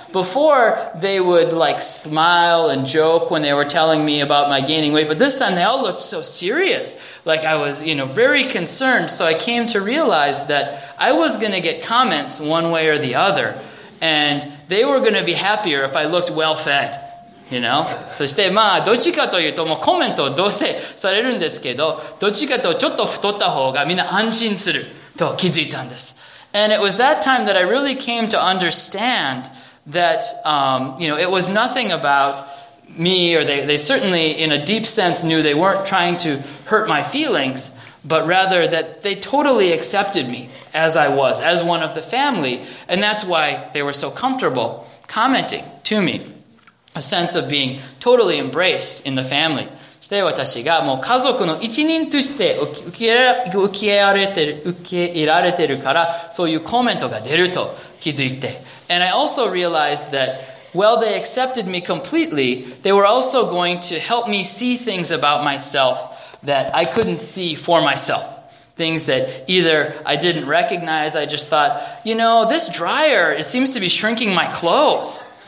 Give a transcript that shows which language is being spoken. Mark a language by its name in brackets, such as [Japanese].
[English] Before, they would like smile and joke when they were telling me about my gaining weight. But this time they all looked so serious. Like I was, you know, very concerned. So I came to realize that I was going to get comments one way or the other. And they were going to be happier if I looked well-fed, you know? [Japanese] そして、まあ、どっちかというと、もうコメントをどうせされるんですけど、どっちかというと、ちょっと太った方がみんな安心すると気づいたんです。 [English] And it was that time that I really came to understand that, you know, it was nothing about me, or they certainly, in a deep sense, knew they weren't trying to hurt my feelings, but rather that they totally accepted me as I was, as one of the family, and that's why they were so comfortable commenting to me, a sense of being totally embraced in the family. [Japanese] そして私がもう家族の一人として受け入れられてるから、そういうコメントが出ると気づいて。 [English] And I also realized that while they accepted me completely, they were also going to help me see things about myself that I couldn't see for myself. Things that either I didn't recognize, I just thought, you know, this dryer, it seems to be shrinking my clothes.